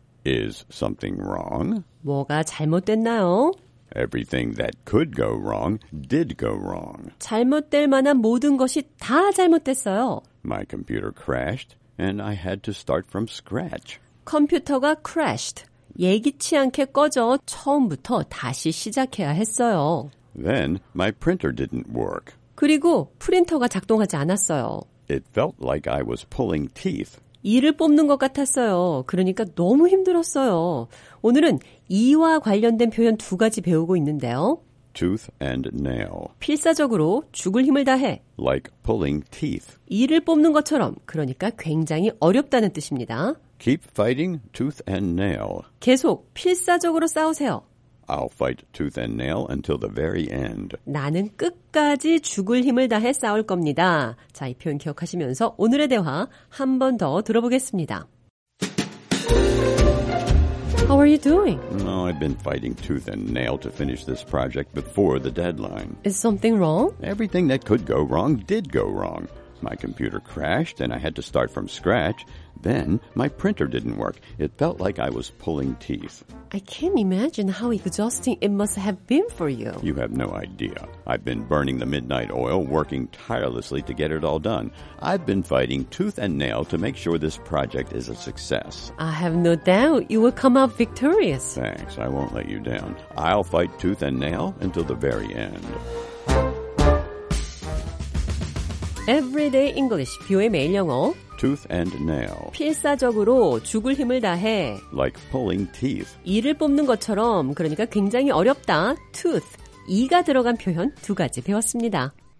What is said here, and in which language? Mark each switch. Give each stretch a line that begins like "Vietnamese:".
English: Is something wrong?
Korean: 뭐가 잘못됐나요?
English: Everything that could go wrong did go wrong.
Korean: 잘못될 만한 모든 것이 다 잘못됐어요.
English: My computer crashed and I had to start from scratch.
Korean: 컴퓨터가 crashed. 예기치 않게 꺼져 처음부터 다시 시작해야 했어요.
English: Then my printer didn't work.
Korean: 그리고 프린터가 작동하지 않았어요.
English: It felt like I was pulling teeth.
Korean: 이를 뽑는 것 같았어요. 그러니까 너무 힘들었어요. 오늘은 이와 관련된 표현 두 가지 배우고 있는데요.
English: Tooth and nail.
Korean: 필사적으로 죽을 힘을 다해.
English: Like pulling teeth.
Korean: 이를 뽑는 것처럼 그러니까 굉장히 어렵다는 뜻입니다.
English: Keep fighting tooth and nail.
Korean: 계속 필사적으로 싸우세요.
English: I'll fight tooth and nail until the very end.
Korean: 나는 끝까지 죽을 힘을 다해 싸울 겁니다. 자, 이 표현 기억하시면서 오늘의 대화 한 번 더 들어보겠습니다.
English: How are you doing? I've been fighting tooth and nail to finish this project before the deadline. Is something wrong? Everything that could go wrong did go wrong. My computer crashed and I had to start from scratch. Then my printer didn't work. It felt like I was pulling teeth. I can't imagine how exhausting it must have been for you. You have no idea. I've been burning the midnight oil, working tirelessly to get it all done. I've been fighting tooth and nail to make sure this project is a success. I have no doubt you will come out victorious. Thanks. I won't let you down. I'll fight tooth and nail until the very end. Everyday English,
Korean: 뷰의 매일 영어.
English: Tooth and nail.
Korean: 필사적으로 죽을 힘을 다해.
English: Like pulling teeth.
Korean: 이를 뽑는 것처럼 그러니까 굉장히 어렵다. Tooth, 이가 들어간 표현 두 가지 배웠습니다.